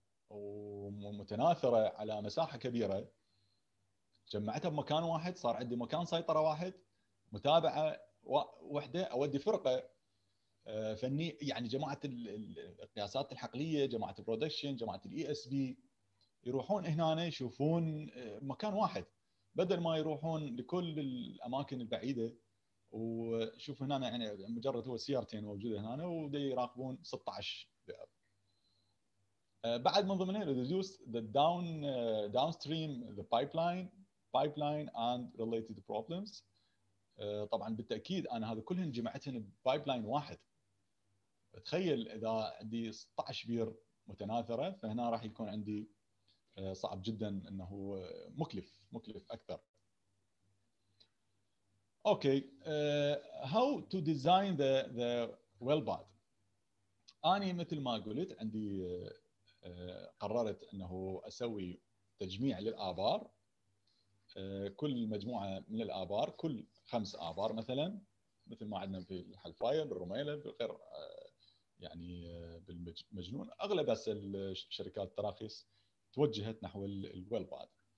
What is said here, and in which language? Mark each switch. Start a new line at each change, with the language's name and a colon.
Arabic: ومتناثرة على مساحة كبيرة، جمعتها بمكان واحد، صار عندي مكان سيطرة واحد، متابعة واحدة، أودي فرقة فني، يعني جماعة القياسات الحقلية، جماعة البرودكشن، جماعة الاي اس بي، يروحون هنا يشوفون مكان واحد بدل ما يروحون لكل الأماكن البعيدة. وشوف هنا يعني مجرد هو سيارتين موجودة هنا ودي يراقبون 16 بئر. بعد من ضمنها
English: reduce the downstream the pipeline and related problems.
Arabic: طبعا بالتأكيد أنا هذا كلهن جمعتهن pipeline واحد. تخيل إذا عندي 16 بئر متناثرة فهنا راح يكون عندي صعب جدا، أنه مكلف أكثر.
English: Okay, how to design the well pad.
Arabic: أني مثل ما قلت عندي قررت أنه أسوي تجميع للآبار، كل مجموعة من الآبار، كل 5 آبار مثلا، مثل ما عندنا في الحلفاية بالرميلة بالغير يعني بالمجنون، أغلب أس الشركات التراخيص توجهت نحو ال well pad.